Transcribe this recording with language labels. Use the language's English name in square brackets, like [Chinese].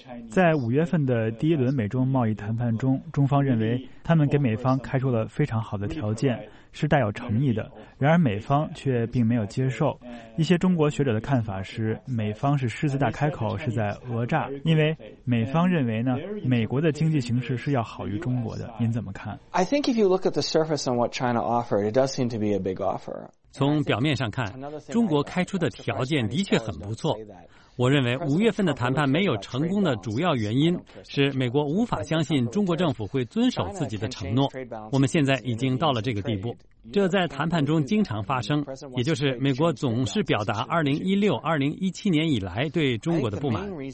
[Chinese] 在五月份的第一轮美中贸易谈判中，中方认为他们给美方开出了非常好的条件，是带有诚意的，然而美方却并没有接受。一些中国学者的看法是，美方是狮子大开口，是在讹诈，因为美方认为呢，美国的经济形势是要好于中国的。您怎么看？ [English] I think if you look at the surface on what China offered, it does seem to be a big offer. [Chinese] 从表面上看，中国开出的条件的确很不错。我认为五月份的谈判没有成功的主要原因是美国无法相信中国政府会遵守自己的承诺。我们现在已经到了这个地步，这在谈判中经常发生，也就是美国总是表达2016-2017年以来对中国的不满。